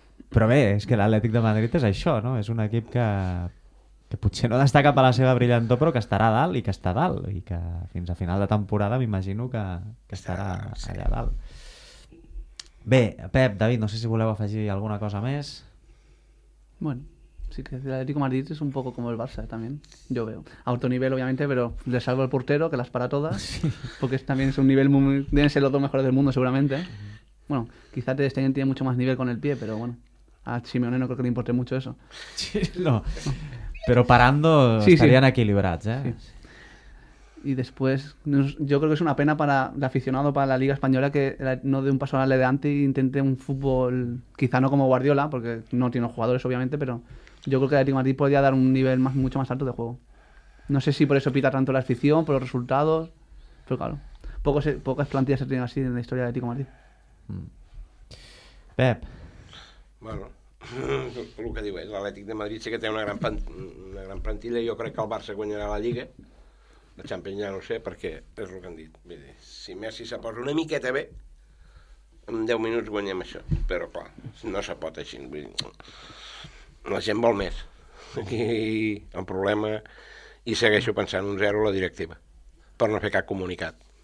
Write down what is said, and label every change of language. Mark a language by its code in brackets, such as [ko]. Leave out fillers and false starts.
[ca] Però bé, és que l'Atlètic de Madrid és això, no? És un equip que potser no destaca per la seva brillantor, però que estarà dalt i que està dalt, i que fins a final de temporada m'imagino que estarà allà dalt. Bé, Pep, David, no sé si voleu afegir alguna cosa més. [es] Bueno, sí que l'Atlético de Madrid [ca] és [es] un poco como el Barça, también, yo veo. A otro nivel, obviamente, pero le salvo el portero, que las para todas, sí. Porque también es un nivel muy... Deben ser los dos mejores del mundo, seguramente. Uh-huh. Bueno, quizá Ter Stegen tiene mucho más nivel con el pie, pero bueno, a Simeone no creo que le importe mucho eso. Sí, no, pero parando sí, estarían sí. Equilibrados, ¿eh? Sí. Y después, yo creo que es una pena para el aficionado, para la Liga Española, que no dé un paso al adelante e intente un fútbol, quizá no como Guardiola, porque no tiene jugadores, obviamente, pero... Yo creo que el Atlético de Madrid podría dar un nivel más, mucho más alto de juego. No sé si por eso pita tanto la afición, por los resultados, pero claro, pocas plantillas se tienen así en la historia del Atlético de Madrid. Pep. Bueno, lo que digo es, el Atlético de Madrid sí que tiene una gran plantilla y yo creo que el Barça [ca] guanyará [es] la Liga. La Champions ya no sé, porque es lo que han dicho. [ca] Si Messi se posa una miqueta bé, [es] en 10 minutos [ca] guanyem això. [es] Pero claro, [ca] no se pot així. La gent vol més. Aquí hi ha un problema i segueixo pensant un zero a la directiva per no fer cap comunicat.